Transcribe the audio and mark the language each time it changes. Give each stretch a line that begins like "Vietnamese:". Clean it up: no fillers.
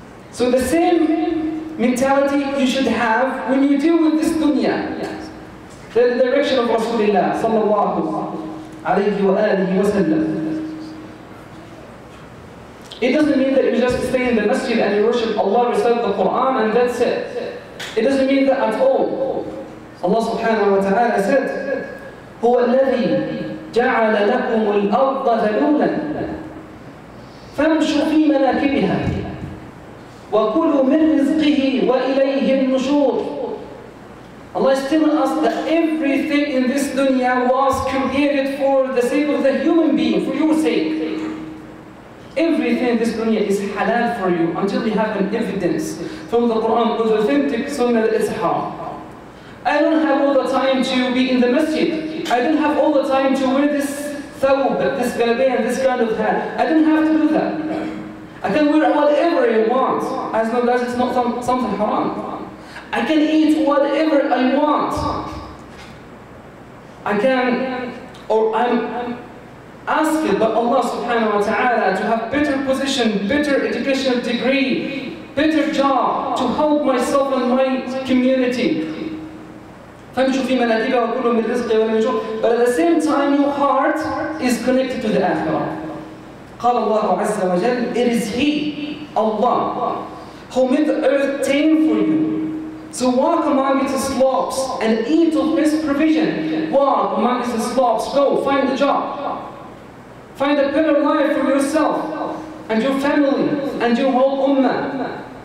English: So the same mentality you should have when you deal with this dunya. The direction of Rasulullah sallallahu alayhi wa alihi wa sallam. It doesn't mean that you just stay in the masjid and you worship Allah, recite the Quran, and that's it. It doesn't mean that at all. Allah subhanahu wa ta'ala said,
Arabic: هُوَ الَّذِي جَعَلَ لَكُمُ الْأَرْضَ ذَلُولًا فَامْشُوا فِي مَنَاكِبِهَا وَكُلُوا مِنْ رِزْقِهِ وَإِلَيْهِ النُّشُورُ.
English: Allah is telling us that everything in this dunya was created for the sake of the human being, for your sake. Everything in this dunya is halal for you until you have an evidence from the Quran, the authentic sunnah that is haram. I don't have all the time to be in the masjid. I don't have all the time to wear this thawb, this galbayan, this kind of hat. I don't have to do that. I can wear whatever I want as long as it's not something haram. I can eat whatever I want. I can or I'm asking but Allah subhanahu wa ta'ala to have better position, better educational degree, better job to help myself and my community.
Arabic: فامشوا في مناديبها وكلوا من رزقي ولا يجوا.
English: But at the same time your heart is connected to the akhirah.
Arabic: قال الله عز وجل
English: it is he, Allah, who made the earth tame for you. So walk among its slopes and eat of its provision. Walk among its slopes, go find a job. Find a better life for yourself and your family and your whole ummah.